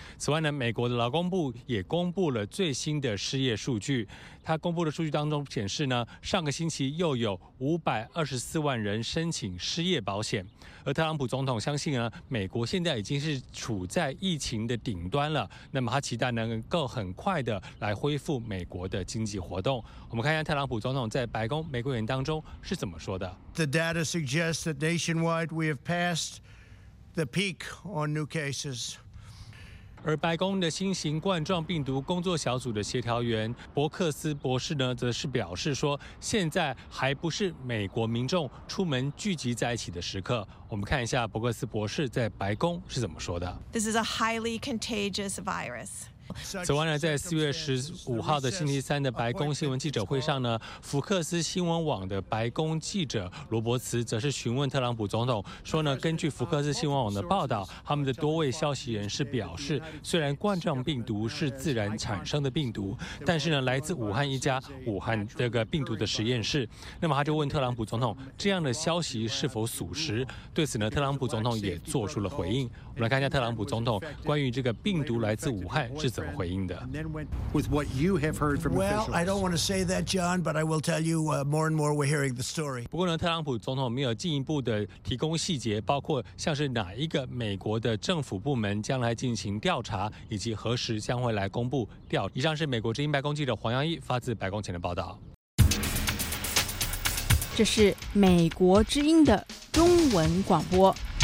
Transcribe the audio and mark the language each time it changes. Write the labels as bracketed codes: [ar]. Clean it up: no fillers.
[zh] 此外呢，美国的劳工部也公布了最新的失业数据，他公布的数据当中显示呢，上个星期又有524万人申请失业保险。而特朗普总统相信呢，美国现在已经是处在疫情的顶端了，那么他期待能够很快的来恢复美国的经济活动。我们看一下特朗普总统在白宫玫瑰园当中是怎么说的。 [en] The data suggests that nationwide we have passed the peak on new cases. [zh] 而白宫的新型冠状病毒工作小组的协调员伯克斯博士呢，则是表示说，现在还不是美国民众出门聚集在一起的时刻。我们看一下伯克斯博士在白宫是怎么说的。 [en] This is a highly contagious virus. [zh] 此外呢，在4月15号的星期三的白宫新闻记者会上呢，福克斯新闻网的白宫记者罗伯茨则是询问特朗普总统说呢，根据福克斯新闻网的报道，他们的多位消息人士表示，虽然冠状病毒是自然产生的病毒，但是呢，来自武汉一家武汉这个病毒的实验室。那么他就问特朗普总统，这样的消息是否属实？对此呢，特朗普总统也做出了回应。我们来看一下特朗普总统关于这个病毒来自武汉是怎么回应的。 [en] With what you have heard from officials. Well, I don't want to say that, John, but I will tell you more and more we're hearing the story. [zh] 不过呢，特朗普总统没有进一步的提供细节，包括像是哪一个美国的政府部门将来进行调查，以及何时将会来公布调。以上是美国之音白宫记者黄耀毅发自白宫前的报道。这是美国之音的中文广播。